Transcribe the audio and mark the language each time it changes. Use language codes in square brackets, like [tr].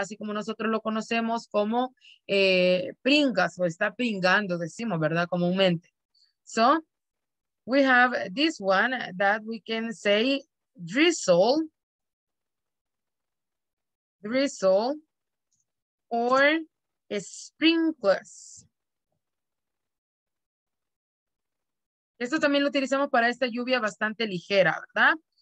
[es] Así como nosotros lo conocemos como pringas, o está pringando, decimos, ¿verdad? Comúnmente. [en] So, we have this one that we can say drizzle, or sprinkles. [es] Esto también lo utilizamos para esta lluvia bastante ligera, ¿verdad?